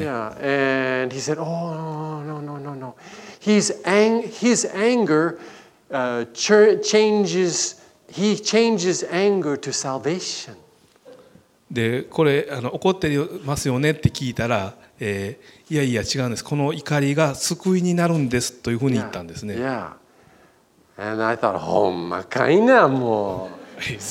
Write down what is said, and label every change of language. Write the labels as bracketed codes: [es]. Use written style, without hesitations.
[en] Yeah, and he said, "Oh, no, no, no, no. His anger changes. He changes anger to salvation." [ja] で、これ怒ってますよねって聞いたら、いやいや違うんです。この怒りが救いになるんですというふうに言ったんですね。 [en] Yeah. And I thought, "Ho, [ja] まかいなもう."